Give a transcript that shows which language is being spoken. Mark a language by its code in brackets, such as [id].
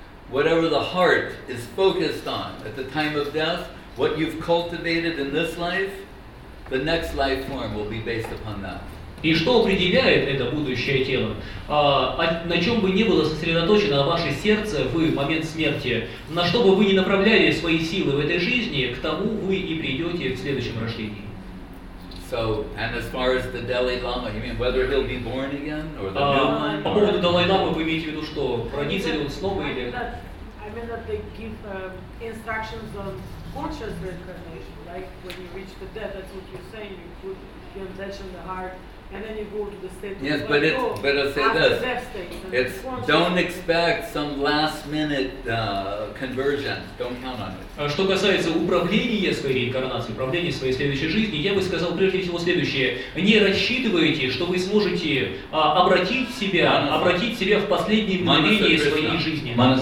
[en] Whatever the heart is focused on at the time of death, what you've cultivated in this life, the next life form will be based upon that. [ru] И что определяет это будущее тело? На чем бы ни было сосредоточено ваше сердце в момент смерти, на что бы вы ни направляли свои силы в этой жизни, к тому вы и придете в следующем рождении. [en] So, and as far as the Dalai Lama, you mean whether he'll be born again or the new one? [ru] По поводу Далай Ламы вы имеете в виду, что родится ли он снова или? [en] I mean that they give instructions on conscious reincarnation, like when you reach the death, that's what you're saying, you put the intention, the heart, and then you go to the state. Yes, but it's, but I'll say this: it's don't expect some last-minute conversion. Don't count on it. [ru] Что касается управления своей реинкарнацией, управления своей следующей жизнью, я бы сказал прежде всего следующее. Не рассчитывайте, что вы сможете обратить себя в последние мгновения своей жизни.